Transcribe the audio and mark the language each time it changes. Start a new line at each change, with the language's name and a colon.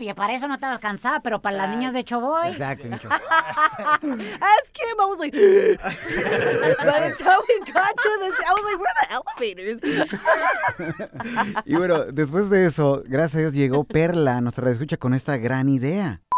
Spanish: Y para eso no estabas cansada, pero para las niñas de Choboy.
English: Exactly. Ask him. I was like, by the time we got to this, I was like, where are the elevators?
Spanish: Y bueno, después de eso, gracias a Dios, llegó Perla a nuestra escucha con esta gran idea.